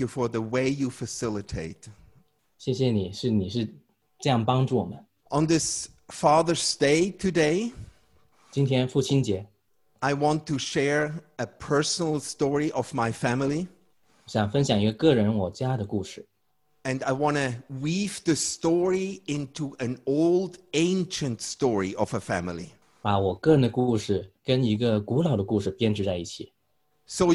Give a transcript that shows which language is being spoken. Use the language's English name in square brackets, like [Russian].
[English] you for the way you facilitate. [Chinese] 谢谢你，是这样帮助我们。On [English] this Father's Day today, [Chinese] 今天父亲节, [English] I want to share a personal story of my family. [Chinese] 想分享一个个人我家的故事。 [English] And I want to weave the story into an old, ancient story of a family. [Chinese] 把我个人的故事跟一个古老的故事编织在一起。So